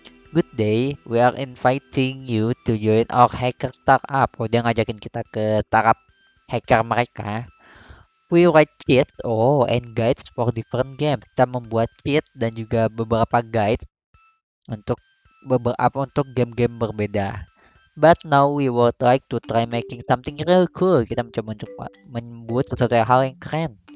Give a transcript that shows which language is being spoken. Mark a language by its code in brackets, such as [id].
[en] Good day, we are inviting you to join our hacker startup. [id] Oh, dia ngajakin kita ke startup hacker mereka. [en] We write cheats, and guides for different games. [id] Kita membuat cheat dan juga beberapa guide untuk beberapa untuk game-game berbeda. [en] But now we would like to try making something real cool. [id] Kita mencoba membuat sesuatu hal yang keren.